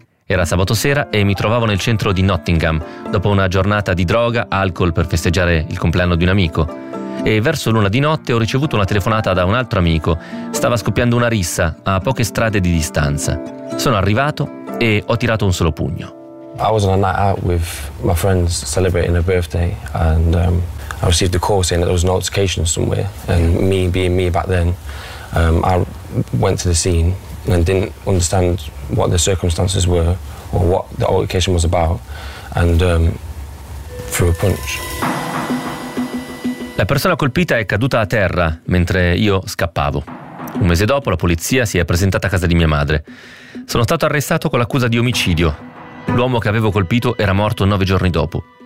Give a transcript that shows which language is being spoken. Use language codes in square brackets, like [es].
[it] Era sabato sera e mi trovavo nel centro di Nottingham, dopo una giornata di droga, alcol per festeggiare il compleanno di un amico. E verso l'una di notte ho ricevuto una telefonata da un altro amico. Stava scoppiando una rissa a poche strade di distanza. Sono arrivato e ho tirato un solo pugno. [en] I was on a night out with my friends celebrating a birthday and I received a call saying that there was an altercation somewhere, and me being me back then, I went to the scene and didn't understand what the circumstances were or what the altercation was about, and threw a punch. [it] La persona colpita è caduta a terra mentre io scappavo. Un mese dopo la polizia si è presentata a casa di mia madre. Sono stato arrestato con l'accusa di omicidio. L'uomo che avevo colpito era morto 9 giorni dopo.